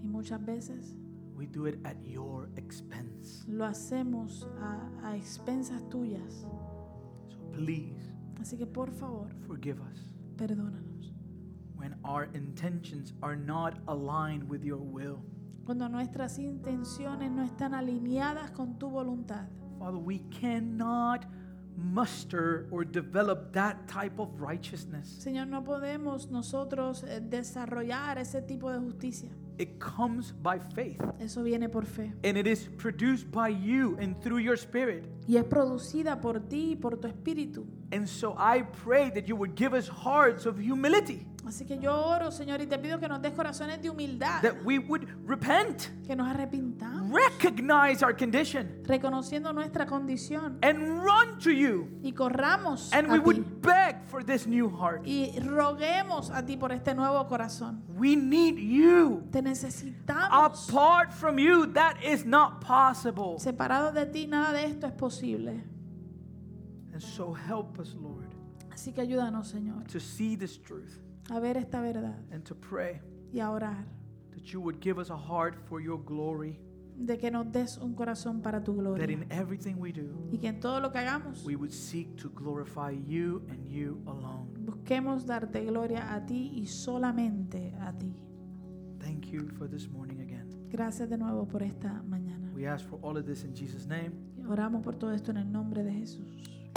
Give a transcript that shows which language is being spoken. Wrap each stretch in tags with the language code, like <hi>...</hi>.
<es>Y muchas veces.</es> <en>We do it at your expense.</en> <es>Lo hacemos a expensas tuyas.</es> <en>So please.</en> <es>Así que por favor.</es> <en>Forgive us.</en> <es>Perdónanos.</es> <en>When our intentions are not aligned with your will.</en> <es>Cuando nuestras intenciones no están alineadas con tu voluntad.</es> <en>Father, we cannot muster or develop that type of righteousness.</en> <es>Señor, no podemos nosotros desarrollar ese tipo de justicia.</es> <en>It comes by faith.</en> <es>Eso viene por fe.</es> <en>And it is produced by you and through your spirit.</en> <es>Y es producida por ti y por tu espíritu.</es> <en>And so I pray that you would give us hearts of humility.</en> <es>Así que yo oro, Señor, y te pido que nos des corazones de humildad.</es> <en>That we would repent.</en> <es>Que nos arrepintamos.</es> <en>Recognize our condition.</en> <es>Reconociendo nuestra condición.</es> <en>And run to you.</en> <es>Y corramos a ti.</es> <en>And we would beg for this new heart.</en> <es>Y roguemos a ti por este nuevo corazón.</es> <en>We need you.</en> <es>Te necesitamos.</es> <en>Apart from you, that is not possible.</en> <es>Separado de ti, nada de esto es posible.</es> <en>And so help us, Lord.</en> <es>Así que ayúdanos, Señor.</es> <en>To see this truth.</en> <es>A ver esta verdad.</es> <en>And to pray.</en> <es>Y a orar.</es> <en>That you would give us a heart for your glory.</en> <es>De que nos des un corazón para tu gloria.</es> <en>That in everything we do.</en> <es>Y que en todo lo que hagamos.</es> <en>We would seek to glorify you and you alone.</en> <es>Busquemos darte gloria a ti y solamente a ti.</es> <en>Thank you for this morning again.</en> <es>Gracias de nuevo por esta mañana.</es> <en>We ask for all of this in Jesus' name.</en> <es>Oramos por todo esto en el nombre de Jesús.</es>